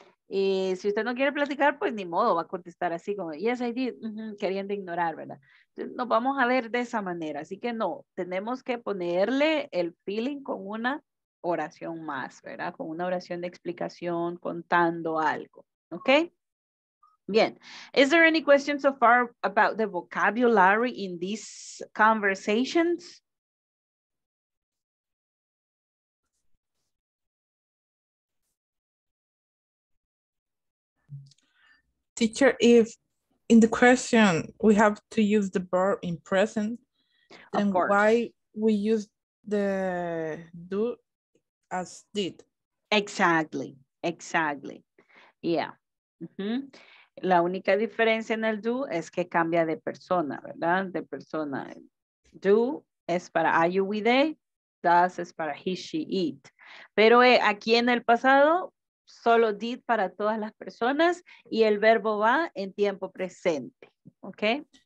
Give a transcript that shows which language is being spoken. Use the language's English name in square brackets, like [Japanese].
[Spanish] Y si usted no quiere platicar, pues ni modo, va a contestar así como, [English] yes, I did, [Spanish] queriendo ignorar, ¿verdad? Entonces, nos vamos a ver de esa manera. Así que no, tenemos que ponerle el feeling con una oración más, ¿verdad? Con una oración de explicación, contando algo, ¿ok? Bien. [English] Is there any question so far about the vocabulary in these conversations? Teacher, if in the question we have to use the verb in present, then why we use the do as did? Exactly, exactly. Yeah. [Spanish] La única diferencia en el do es que cambia de persona, ¿verdad? De persona. Do es para are you, we, they. Does es para he, she, it. Pero aquí en el pasado, solo did para todas las personas y el verbo va en tiempo presente, ¿ok?